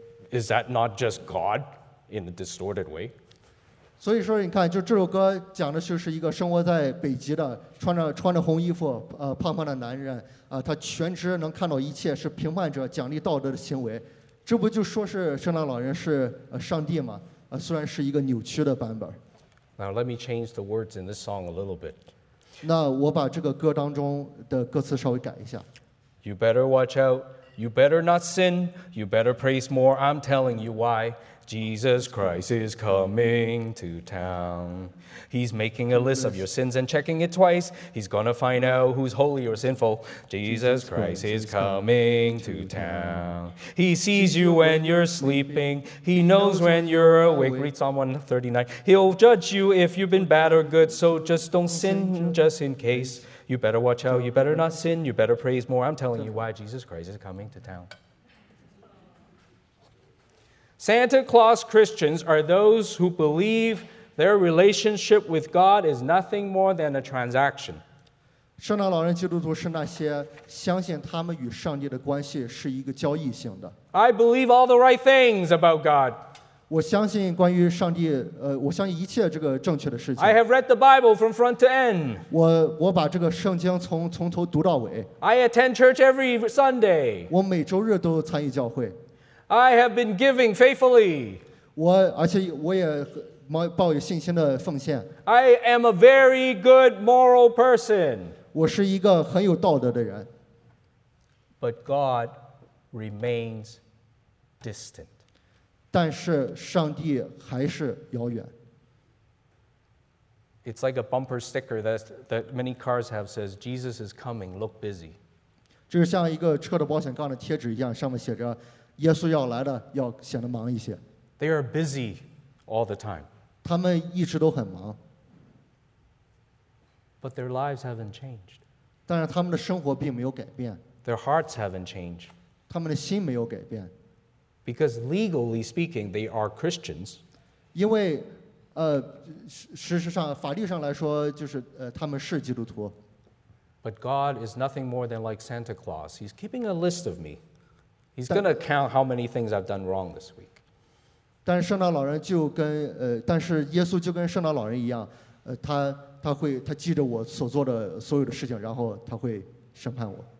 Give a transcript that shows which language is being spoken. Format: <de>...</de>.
<en>is that not just God in a distorted way?</en> <zh>所以说你看就这首歌讲的就是一个生活在北极的穿着红衣服胖胖的男人他全知能看到一切是评判者奖励道德的行为这不就说是圣诞老人是上帝吗虽然是一个扭曲的版本</zh> <en>Now let me change the words in this song a little bit</en> <zh>那我把这个歌当中的歌词稍微改一下</zh> <en>You better watch out You better not sin You better praise more I'm telling you whyJesus Christ is coming to town. He's making a list of your sins and checking it twice. He's gonna find out who's holy or sinful. Jesus Christ is coming to town. He sees you when you're sleeping. He knows when you're awake. Read Psalm 139. He'll judge you if you've been bad or good. So just don't sin just in case. You better watch out. You better not sin. You better praise more. I'm telling you why Jesus Christ is coming to town. Santa Claus Christians are those who believe their relationship with God is nothing more than a transaction.</en> <zh>圣诞老人基督徒是那些相信他们与上帝的关系是一个交易性的。</zh> <en>I believe all the right things about God.</en> <zh>我相信关于上帝，我相信一切这个正确的事情。</zh> <en>I have read the Bible from front to end.</en> <zh>我把这个圣经从头读到尾。</zh> <en>I attend church every Sunday.</en> <zh>我每周日都参与教会。</zh> <en>I have been giving faithfully.</en> <zh>而且我也抱有信心的奉献。</zh> <en>I am a very good moral person.</en> <zh>我是一个很有道德的人。</zh> <en>But God remains distant.</en> <zh>但是上帝还是遥远。</zh> <en>It's like a bumper sticker that many cars have says, Jesus is coming, look busy.</en> <zh>就是像一个车的保险杠的贴纸一样，上面写着耶稣要来的要显得忙一些。</zh> <en>They are busy all the time.</en> <zh>他们一直都很忙。</zh> <en>But their lives haven't changed.</en> <zh>但是他们的生活并没有改变。</zh> <en>Their hearts haven't changed.</en> <zh>他们的心没有改变。</zh> <en>Because legally speaking, they are Christians.</en> <zh>因为事实上法律上来说就是他们是基督徒。</zh> <en>But God is nothing more than like Santa Claus. He's keeping a list of me. He's going to count how many things I've done wrong this week.</en> <zh>但圣诞老人就跟但是耶稣就跟圣诞老人一样他记着我所做的所有的事情然后他会审判我。</zh>